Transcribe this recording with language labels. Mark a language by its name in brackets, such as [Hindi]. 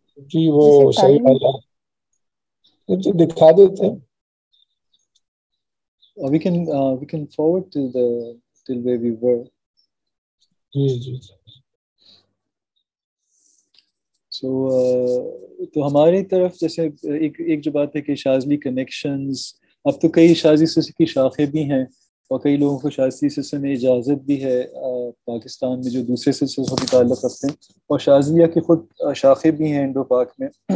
[Urdu] جی وہ صحیح بات ہے دکھا دیتے ہیں [English] we can forward to the till where we were [Urdu] جی جی سو تو ہماری طرف جیسے ایک ایک جو بات ہے کہ شاذلی کنیکشنز اب تو کئی شاذلی سلسلے کی شاخیں بھی ہیں اور کئی لوگوں کو شاذلی سلسلے میں اجازت بھی ہے پاکستان میں جو دوسرے سلسلے سے بھی تعلق رکھتے ہیں اور شاذلیہ کی خود شاخیں بھی ہیں انڈو پاک میں